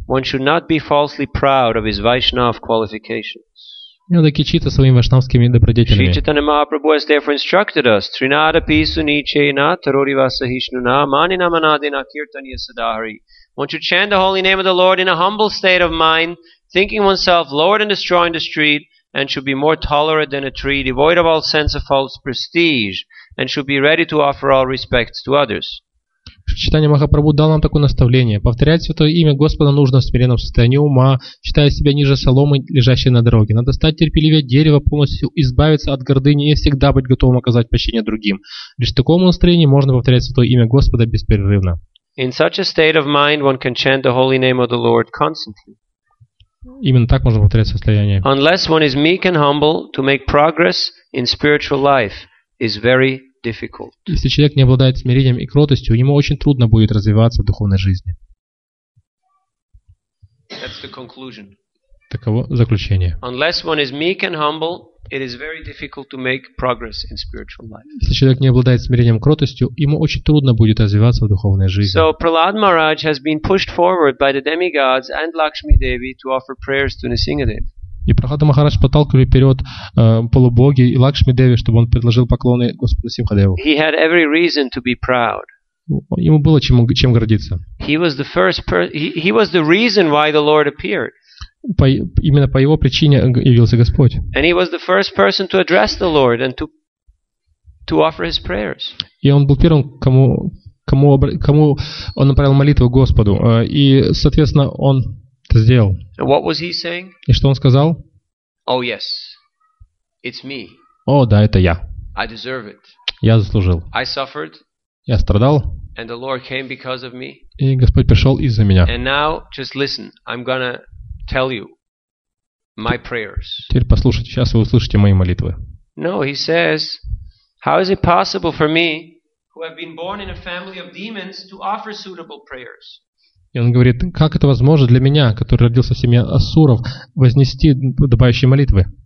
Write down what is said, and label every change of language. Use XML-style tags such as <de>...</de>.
<en>One should not be falsely proud of his Vaishnav qualifications.</en> <ru>Не надо кичиться своими вайшнавскими добродетелями.</ru> <en>Shri Chaitanya Mahaprabhu has therefore instructed us:</en> <sa>Trinada Pisu Niche Na Tarori Vasahishnu Na Mani Namanade Na Kirtaniya Sadhari.</sa> <en>One should chant the holy name of the Lord in a humble state of mind, thinking oneself lower than the straw in the street, and should be more tolerant than a tree, devoid of all sense of false prestige, and should be ready to offer all respects to others.</en> <ru>Читание Махапрабху дал нам такое наставление. Повторять святое имя Господа нужно в смиренном состоянии ума, считая себя ниже соломы, лежащей на дороге. Надо стать терпеливее дерева, полностью избавиться от гордыни и всегда быть готовым оказать прощение другим. Лишь в таком настроении можно повторять святое имя Господа беспрерывно.</ru> <en>In such a state of mind, one can chant the holy name of the Lord constantly.</en> <ru>Именно так можно повторять состояние.</ru> <en>Unless one is meek and humble, to make progress in spiritual life is very difficult.</en> <ru>Если человек не обладает смирением и кротостью, ему очень трудно будет развиваться в духовной жизни.</ru> <en>That's the conclusion.</en> <ru>Таково заключение.</ru> <en>Unless one is meek and humble, it is very difficult to make progress in spiritual life.</en> <ru>Если человек не обладает смирением и кротостью, ему очень трудно будет развиваться в духовной жизни.</ru> <en>So Prahlad Maharaj has been pushed forward by the demigods and Lakshmi Devi to offer prayers to Nisingadev.</en> <ru>И Прахлада Махарадж подталкивал вперед полубоги и Лакшми Деви, чтобы он предложил поклоны Господу Симхадеву.</ru> <en>He had every reason to be proud.</en> <ru>Ему было чем гордиться.</ru> <en>He was the reason why the Lord appeared.</en> <ru>Именно по его причине явился Господь.</ru> <en>And he was the first person to address the Lord and to offer his prayers.</en> <ru>И он был первым, кому он направил молитву Господу. И, соответственно, он это сделал.</ru> <en>And what was he saying?</en> <ru>И что он сказал?</ru> <en>Oh, yes. It's me.</en> <ru>О, да, это я.</ru> <en>I deserve it.</en> <ru>Я заслужил.</ru> <en>I suffered.</en> <ru>Я страдал.</ru> <en>And the Lord came because of me.</en> <ru>И Господь пришел из-за меня.</ru> <en>And now, just listen, I'm gonna tell you my prayers.</en> <ru>Теперь послушайте, сейчас вы услышите мои молитвы.</ru> <en>No, he says, how is it possible for me, who have been born in a family of demons, to offer suitable prayers?</en> <ru>И он говорит, как это возможно для меня, который родился в семье асуров, вознести подобающие молитвы?</ru>